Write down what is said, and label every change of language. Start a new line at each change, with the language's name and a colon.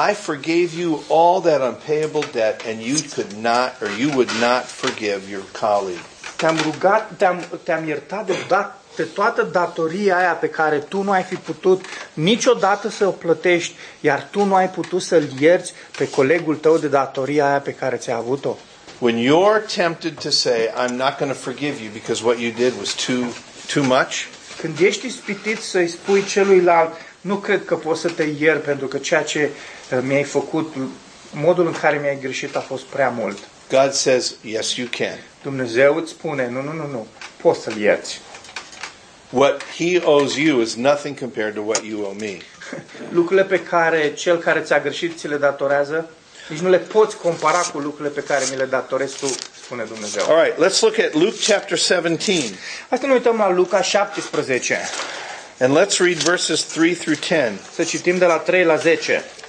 English: I forgave you all that unpayable debt and you could not or you would not forgive your colleague.
Romanian: Te-am rugat, te-am iertat de toată datoria aia pe care tu nu ai fi putut niciodată să o plătești, iar tu nu ai putut să-l ierți pe colegul tău de datoria aia pe care ți-a avut-o.
English: When you're tempted to say, I'm not going to forgive you because what you did was too much.
Romanian: Când ești ispitit să-i spui celuilalt, nu cred că pot să te iert pentru că ceea ce mi-ai făcut, modul în care mi-ai greșit a fost prea mult.
English: God says, yes, you can.
Romanian: Dumnezeu îți spune, nu, poți să-l ierți.
English: What he owes you is nothing compared to what you owe me.
Romanian: Lucrurile pe care cel care ți-a greșit ți le datorează, nici nu le poți compara cu lucrurile pe care mi le datorezi tu, spune Dumnezeu.
English: All right, let's look at Luke chapter 17.
Romanian: Hai să ne uităm la Luca 17.
English: And let's read verses 3 through 10.
Romanian: Să citim de la 3 la 10.